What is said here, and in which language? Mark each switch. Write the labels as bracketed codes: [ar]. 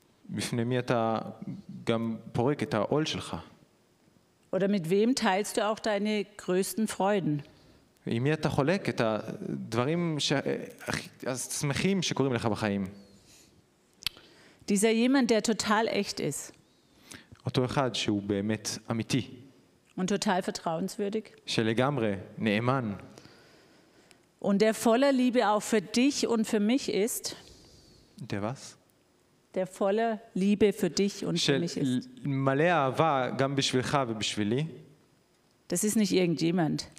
[he] בפני מי אתה גם פורק את העול שלך? [de] Oder mit wem teilst du auch deine größten Freuden? [he] עם מי אתה חולק את הדברים השמחים שקורים לך בחיים? [de] Dieser jemand, der total echt ist. [he] אותו אחד שהוא באמת אמיתי. [de] Und total vertrauenswürdig. [he] שלגמרי נאמן. [de] Und der voller Liebe auch für dich und für mich ist. Der was? Der voller Liebe für dich und für mich ist. Das ist nicht irgendjemand.